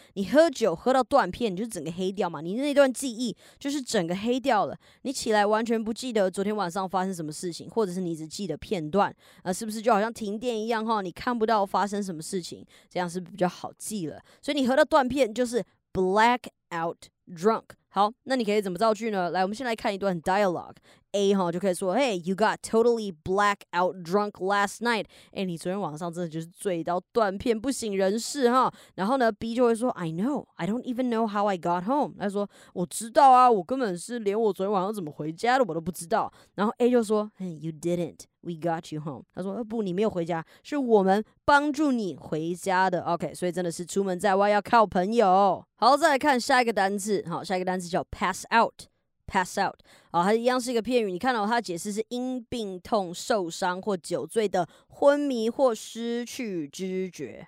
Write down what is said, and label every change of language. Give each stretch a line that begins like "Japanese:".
Chinese: 你喝酒喝到断片，你就整个黑掉嘛，你那段记忆就是整个黑掉了，你起来完全不记得昨天晚上发生什么事情，或者是你只记得片段、是不是就好像停电一样、哦、你看不到发生什么事情，这样是比较好记了。所以你喝到断片就是
English: black out drunk。
Chinese: 好，那你可以怎么造句呢？来，我们先来看一段 dialogue。A、哦、就可以说
English: Hey, you got totally black out drunk last night。
Chinese: 哎，你昨天晚上真的就是醉到断片不省人事哈。然后呢 B 就会说
English: I know, I don't even know how I got home。
Chinese: 他说我知道啊，我根本是连我昨天晚上怎么回家的我都不知道。然后 A 就说
English: Hey, you didn't, we got you home。
Chinese: 他说不，你没有回家，是我们帮助你回家的。 OK, 所以真的是出门在外要靠朋友。好，再来看下一个单字。好，下一个单字叫 pass out。 Pass out， 好，它一样是一个片语。你看到、哦、它解释是因病痛、受伤或酒醉的昏迷或失去知觉。